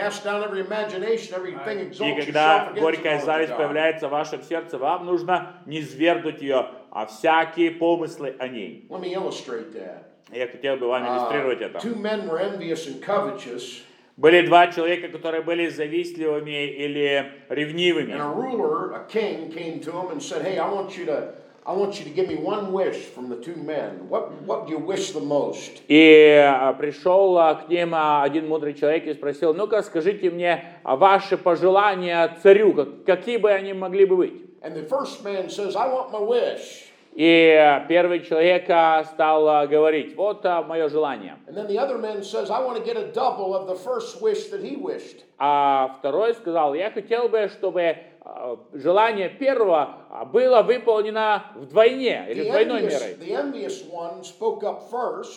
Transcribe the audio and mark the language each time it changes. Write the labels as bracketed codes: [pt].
[ru] И когда горькая зависть появляется в вашем сердце, вам нужно низвергнуть ее, а всякие помыслы о ней. [en] Let me illustrate that. [ru] Я хотел бы вам иллюстрировать это. [en] Two men were envious and covetous. [ru] Были два человека, которые были завистливыми или ревнивыми. [en] And a ruler, a king, came to him and said, "Hey, I want you to give me one wish from the two men. What do you wish the most?" [ru] И пришел к ним один мудрый человек и спросил: "Ну-ка, скажите мне ваши пожелания царю, какие бы они могли бы быть?" [en] And the first man says, "I want my wish." [ru] И первый человек стал говорить, вот мое желание. [en] Says, [ru] а второй сказал, я хотел бы, чтобы желание первого было выполнено вдвойне, или двойной мерой.